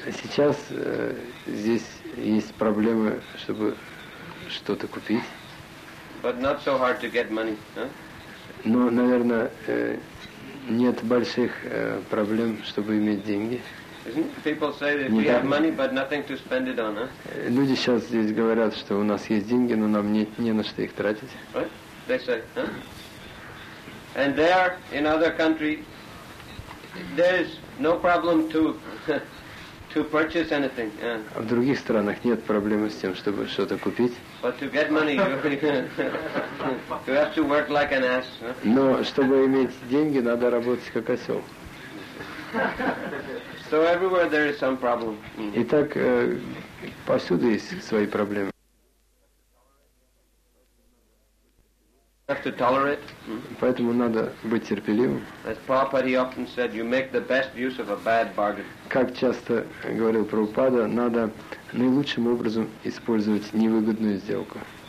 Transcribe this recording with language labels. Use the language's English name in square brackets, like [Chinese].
[Russian] Сейчас здесь есть проблемы, чтобы что-то купить. [English] But not so hard to get money, [Russian] Но, наверное, нет больших проблем, чтобы иметь деньги. [English] People say that we have money, but nothing to spend it on, [Russian] Люди сейчас здесь говорят, что у нас есть деньги, но нам не на что их тратить. [English] What? They say, And there, in other country, there is no problem to purchase anything. [Russian] А в других странах нет проблемы с тем, чтобы что-то купить. [English] But to get money, you have to work like an ass. [Russian] Но чтобы иметь деньги, надо работать как осел. [English] So everywhere there is some problem. [Russian] Итак, повсюду есть свои проблемы. [English] You have to tolerate. [Russian] Поэтому надо быть терпеливым. [English] As Prabhupada often said, you make the best use of a bad bargain. [Russian] Как часто говорил Прабхупада, надо наилучшим образом использовать невыгодную сделку.